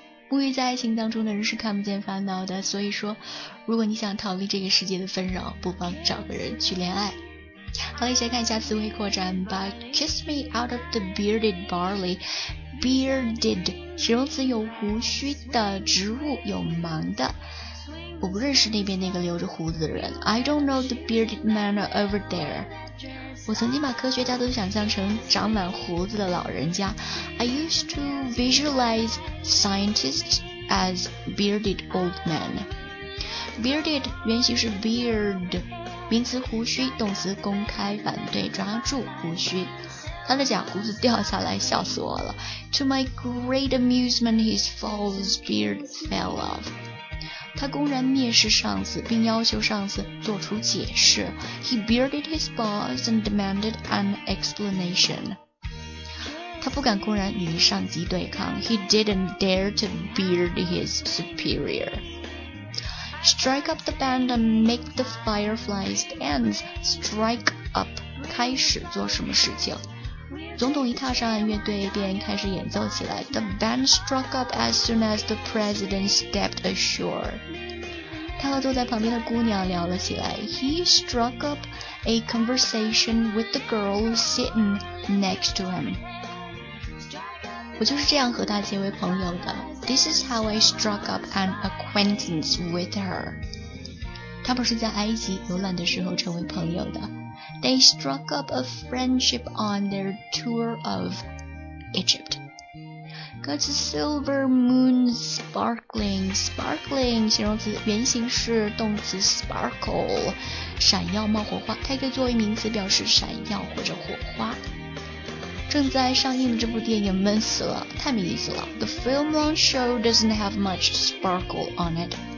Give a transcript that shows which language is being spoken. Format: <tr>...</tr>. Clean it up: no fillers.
<zh>沐浴在爱情当中的人是看不见烦恼的，所以说如果你想逃离这个世界的纷扰，不妨找个人去恋爱。好了，一起来看一下词汇扩展吧。</zh> <en>Kiss me out of the bearded barley。 Bearded，</en> <zh>形容词，有胡须的植物，有芒的。我不认识那边那个留着胡子的人。</zh> <en>I don't know the bearded man over there。</en> <zh>我曾经把科学家都想象成长满胡子的老人家。</zh> <en>I used to visualize scientists as bearded old men。</en> <zh>Bearded 原型是 beard， 名词胡须，动词公开反对，抓住胡须。他的假胡子掉下来，笑死我了。</zh> <en>To my great amusement, his false beard fell off.</en> <zh>他公然蔑视上司，并要求上司做出解释。</zh> <en>He bearded his boss and demanded an explanation.</en> <zh>他不敢公然与上级对抗。</zh> <en>He didn't dare to beard his superior. Strike up the band and make the fireflies dance.</en> <zh>Strike up. 开始做什么事情？总统一踏上乐队便开始演奏起来。</zh> <en>The band struck up as soon as the president stepped ashore.</en> <zh>他和坐在旁边的姑娘聊了起来。</zh> <en>He struck up a conversation with the girl sitting next to him.</en> <zh>我就是这样和她结为朋友的。</zh> <en>This is how I struck up an acquaintance with her.</en> <zh>他们是在埃及游览的时候成为朋友的。</zh> <en>They struck up a friendship on their tour of Egypt. Got silver moon sparkling,</en> <zh>sparkling 形容词原型是动词 sparkle, 闪耀冒火花，它可以作为名词表示闪耀或者火花。正在上映的这部电影闷死了，太没意思了。</zh> <en>The film long show doesn't have much sparkle on it.</en>